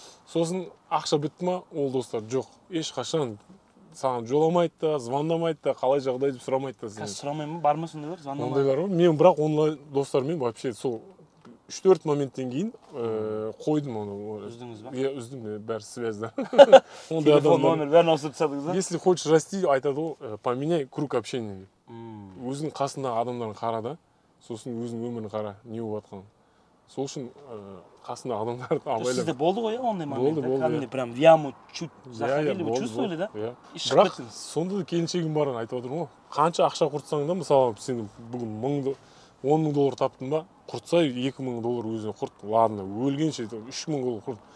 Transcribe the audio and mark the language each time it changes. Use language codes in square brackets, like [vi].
[kk] Сосын ақша бітті ма, ол достар жоқ. Ешқашан саған жоламайды да, звондамайды да, қалай жағдай деп сұрамайды да. Қазір сұрамай ма, бар ма сондай бар, звондамайды? Ондай бар ғой. Мен бірақ онлайн достармен вообще сол 3-4 моменттен кейін қойдым оны. Үздіңіз ба? Иә, үздім, бәрі связьда. Телефон номер бәрін ауыстырып тастадыңыз ба? [ru] Если хочешь расти, айтады ғой, поменяй круг общения деп. [kk] Өзіңнің қасындағы адамдарын қара да, сосын өзіңнің өміріңді қара, не болып жатқанын. Сол үшін қасындағы адамдарды абайла. Сізде болды ғой, иә, ондай момент? Болды, болды. [ru] Кәдімгідей прям в яму чуть заходили, вы чувствовали, да? [kk] Иә. Бірақ сонда да келіншегім барын айтып отырмын ғой. Қанша ақша құртсаң да, мысалы сен бүгін 10 мың доллар таптың ба, құртса 2 мың доллар өзіңе құрт, ладно, өлгенше 3 мың доллар құрт.